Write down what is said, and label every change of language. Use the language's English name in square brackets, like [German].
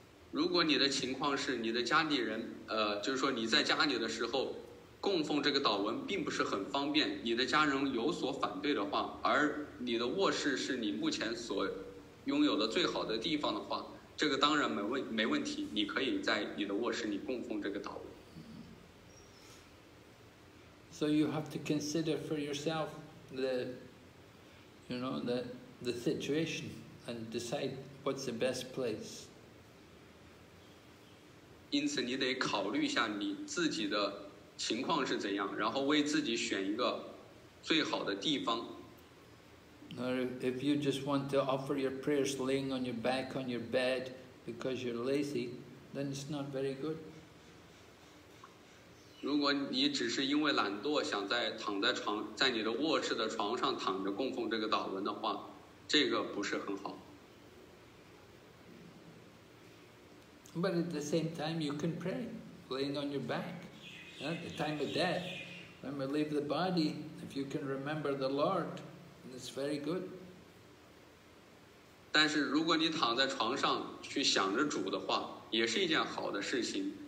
[Chinese] 如果你的情况是你的家里人，就是说你在家里的时候。供奉这个祷文并不是很方便，你的家人有所反对的话，而你的卧室是你目前所拥有的最好的地方的话，这个当然没问题，你可以在你的卧室里供奉这个祷文。 [English] So you have to consider for yourself the, you know, the situation and decide what's the best place. [Chinese] 因此你得考虑一下你自己的情况是怎样，然后为自己选一个最好的地方。 [English] Or if you just want to offer your prayers laying on your back on your bed because you're lazy, then it's not very good. [Chinese] 如果你只是因为懒惰，想在躺在床，在你的卧室的床上躺着供奉这个祷文的话，这个不是很好。 [English] But at the same time, you can pray laying on your back. At the time of death, when we leave the body, if you can remember the Lord, it's very good. [Chinese] 但是如果你躺在床上去想着主的话，也是一件好的事情。